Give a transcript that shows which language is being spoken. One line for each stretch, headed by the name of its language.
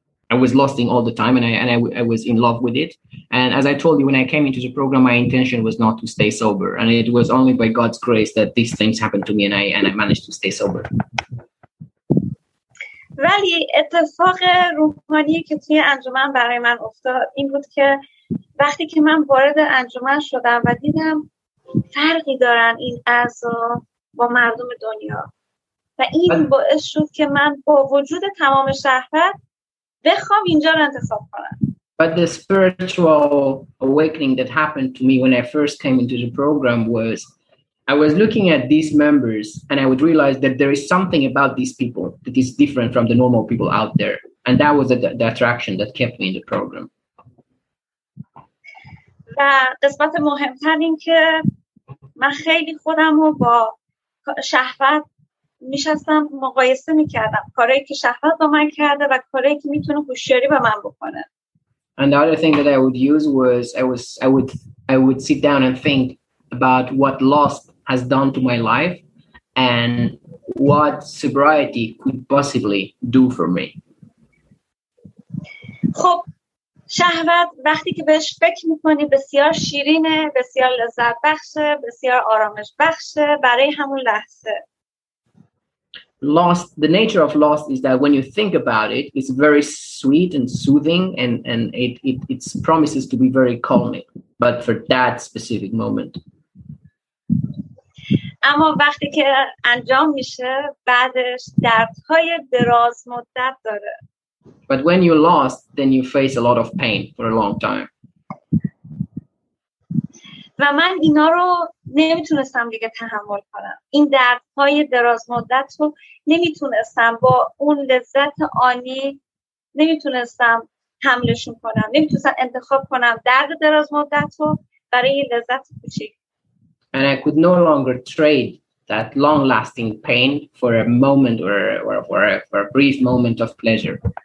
English: I was lusting all the time, and I was in love with it. And as I told you, when I came into the program, my intention was not to stay sober, and it was only by God's grace that these things happened to me, and I managed to stay sober.
Persian: ولی اتفاق روحانی که توی انجمن برای من افتاد این بود که وقتی که من وارد انجمن شدم و دیدم فرقی دارن این اعضا با مردم دنیا و این باعث شد که من با وجود تمام شهوت بخوام اینجا رو انتخاب کنم.
English: But the spiritual awakening that happened to me when I first came into the program was I was looking at these members and I would realize that there is something about these people that is different from the normal people out there. And that was the attraction that kept me in the program.
Persian: و قسمت مهمتر این که من خیلی خودم رو با شهوت میشستم مقایسه میکردم. کاری که شهوت با من کرده و کاری که میتونه هوشیاری با من بکنه.
English: And the other thing that I would use was I would sit down and think about what lost has done to my life and what sobriety could possibly do for me.
Persian: خب شهوت وقتی که بهش فکر می‌کنی بسیار شیرینه، بسیار لذت بخشه، بسیار آرامش بخشه برای همون لحظه.
English: Lust, the nature of lust is that when you think about it, it's very sweet and soothing and it promises to be very calming, but for that specific moment.
Persian: اما وقتی که انجام میشه بعدش دردهای دراز مدت داره.
English: But when you lost, then you face a lot of pain for a long time.
Persian: و و من اینا رو نمیتونستم دیگه تحمل کنم. این دردهای دراز مدت رو نمیتونستم با اون لذت آنی نمیتونستم حملشون کنم. نمیتونستم انتخاب کنم درد دراز مدت رو برای لذت کوچیک.
English: And I could no longer trade that long-lasting pain for a moment or a brief moment of pleasure.